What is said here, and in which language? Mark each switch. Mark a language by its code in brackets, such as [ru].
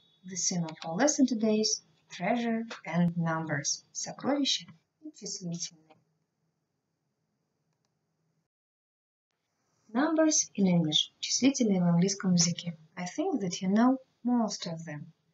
[en] The theme of our lesson today is treasure and numbers. [ru] Сокровища и числительные. [en] Numbers in English. [ru] Числительные в английском языке. [en] I think that you know most of them.